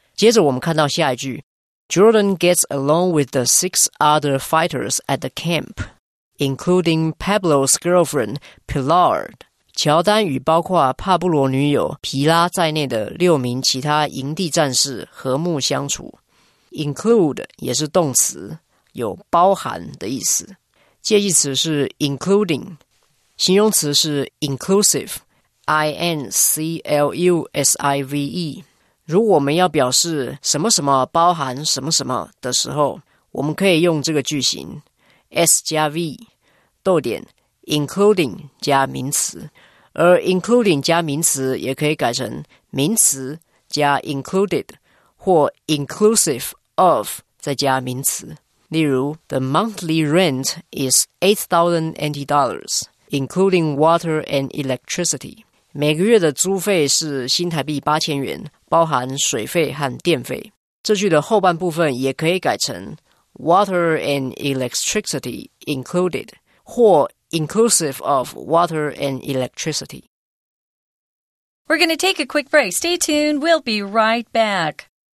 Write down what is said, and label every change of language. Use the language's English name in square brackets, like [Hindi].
[Chinese] 接着我们看到下一句 [English] Jordan gets along with the six other fighters at the camp, including Pablo's girlfriend, Pilar. [Chinese] 乔丹与包括帕布罗女友皮拉在内的六名其他营地战士和睦相处。 Include 也是动词，有包含的意思。介系词是 including， 形容词是 inclusive。 I-N-C-L-U-S-I-V-E 如果我们要表示什么什么包含什么什么的时候，我们可以用这个句型 S 加 V 逗点 including 加名词，而 including 加名词也可以改成名词加 included 或 inclusive of 再加名词。例如 [English] The monthly rent is $8,000 including water and electricity. [Chinese] 每个月的租费是新台币8000元，包含水费和电费。这句的后半部分也可以改成 [English] water and electricity included 或 inclusive of water and electricity. We're going to take a quick break. Stay tuned. We'll be right back.